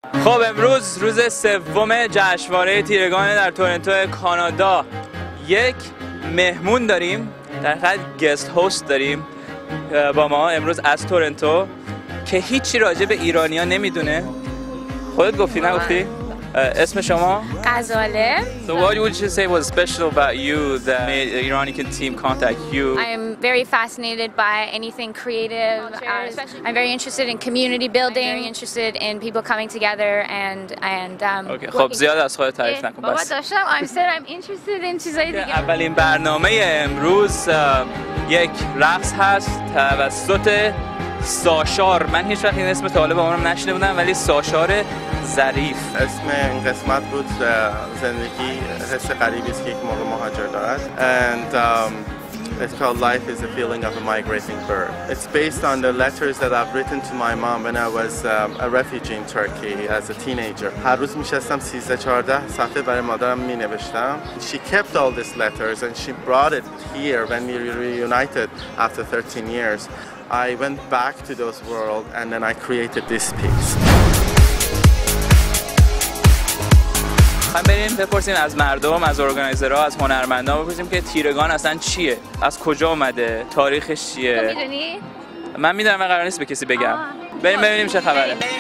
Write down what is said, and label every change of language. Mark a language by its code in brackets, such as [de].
[fa] خب امروز روز سوم جشنواره تیرگان در تورنتو کانادا، یک مهمون داریم، در حقیقت گست هاست داریم با ما امروز از تورنتو که هیچی راجع به ایرانی ها نمیدونه. خودت گفتی نگفتی؟ اسم شما؟ غزاله. [en] So what would you say was special about you that made Iranian team contact you? I'm very fascinated by anything creative. I'm very interested in community building. I'm very interested in people coming together and Okay. [fa] خب زیاد از خودت تعریف نکن. بابا داشتم. [en] I'm interested in [fa] چیزای دیگه. اولین برنامه امروز یک رقص هست توسط ساشار. من هیچ وقت این اسم طالب عمرم نشنیده بودم، ولی ساشار ظریف اسم این قسمت بود. زندگی حس غریبی است که یک موقع مهاجر دارد. [en] And it's called Life is a Feeling of a Migrating Bird. It's based on the letters that I've written to my mom when I was a refugee in Turkey as a teenager. [fa] هر روز میشستم 13-14 صفحه برای مادرم مینوشتم. [en] She kept all these letters and she brought it here when we reunited after 13 years. I went back to those world and then I created this piece. [fa] خب بریم بپرسیم از مردم، از ارگانایزرها، از هنرمندا بپرسیم که تیرگان اصلا چیه؟ از کجا اومده؟ تاریخش چیه؟ تو میدونی؟ من میدونم و قرار نیست به کسی بگم. بریم ببینیم چه خبره.